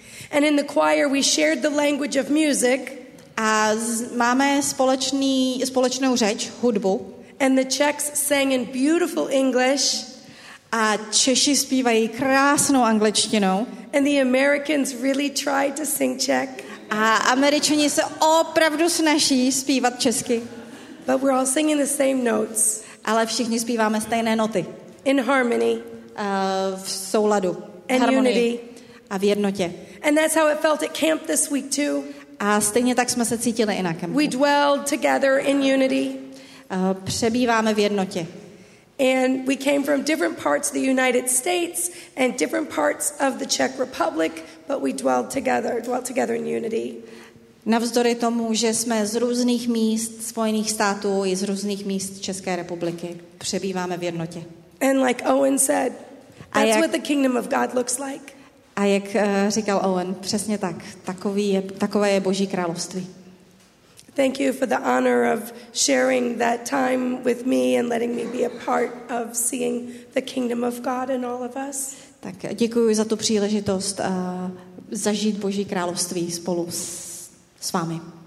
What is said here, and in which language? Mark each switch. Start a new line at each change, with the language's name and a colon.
English: And in the choir we shared the language of music.
Czech: A máme společnou řeč, hudbu.
English: And the Czechs sang in beautiful English.
Czech: A Češi zpívají krásnou angličtinou.
English: And the Americans really tried to sing Czech.
Czech: A Američani se opravdu snaží zpívat česky.
English: But we're all singing the same notes.
Czech: Ale všichni zpíváme stejné noty.
English: In harmony.
Czech: V souladu.
English: And unity.
Czech: A v jednotě.
English: And that's how it felt at camp this week too.
Czech: A stejně tak jsme se cítili i na kempu.
English: We dwelled together in unity.
Czech: Přebýváme v jednotě.
English: And we came from different parts of the United States and different parts of the Czech Republic, but we dwelt together in unity.
Czech: Navzdory tomu, že jsme z různých míst Spojených států i z různých míst České republiky, přebýváme v jednotě.
English: And like Owen said, that's what the kingdom of God looks like.
Czech: A jak říkal Owen, přesně tak, takové je Boží království.
English: Thank you for the honor of sharing that time with me and letting me be a part of seeing the kingdom of God in all of us.
Czech: Tak děkuji za tu příležitost zažít Boží království spolu s vámi.